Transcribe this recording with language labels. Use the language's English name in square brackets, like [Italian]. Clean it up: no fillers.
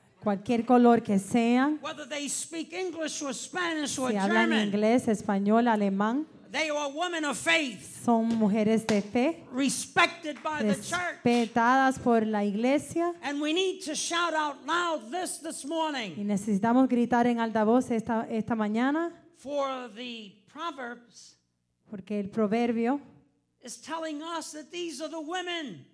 [Spanish] Cualquier color que sean, [English] whether they speak English or Spanish or [Spanish] si hablan [English] German, [Spanish] inglés, español, alemán, [English] they are women of faith, [Spanish] son mujeres de fe, [English] respected by the church, [Spanish] respetadas por la iglesia, [English] and we need to shout out loud this morning, [Spanish] y necesitamos gritar en alta voz esta mañana, [English] for the Proverbs, [Spanish] porque el proverbio [English] is telling us that these are the women,